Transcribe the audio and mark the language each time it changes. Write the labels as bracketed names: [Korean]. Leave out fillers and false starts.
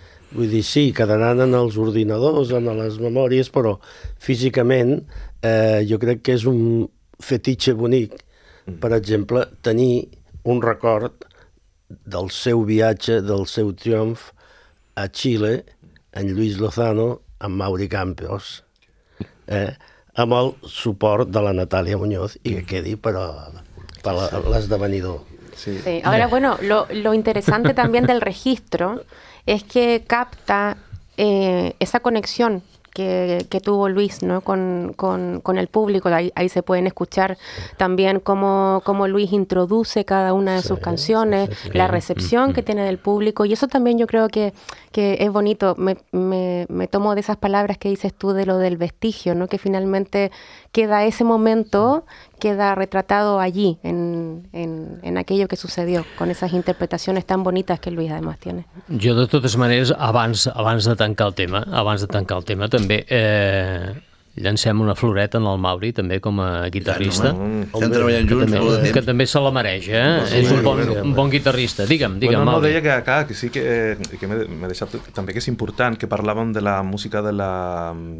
[Catalan] Vull dir, sí, quedaran en els ordinadors, en les memòries, però físicament jo crec que és un fetitxe bonic, per exemple, tenir un record del seu viatge, del seu triomf a Xile, en Lluís Lozano, amb Mauri Campos, amb el suport de la Natàlia Muñoz, i que quedi per l'esdevenidor. Sí. [Spanish] Ahora, bueno, lo interesante también del registro es que capta esa conexión que tuvo Luis, ¿no? con el público. Ahí se pueden escuchar también cómo Luis introduce cada una de sus canciones, la recepción que tiene del público, y eso también yo creo que es bonito. Me tomo de esas palabras que dices tú de lo del vestigio, ¿no? Que finalmente queda ese momento, queda retratado allí en aquello que sucedió, con esas interpretaciones tan bonitas que Luis además tiene. [Catalan] Jo, de totes maneres, abans de tancar el tema, també llancem una floreta en el Mauri, també, com a guitarrista. Estem treballant junts. Que també se la mereix, És un bon guitarrista. Digue'm, bueno, Mauri. No, deia que sí que m'he deixat... També que és important que parlàvem de la música de la...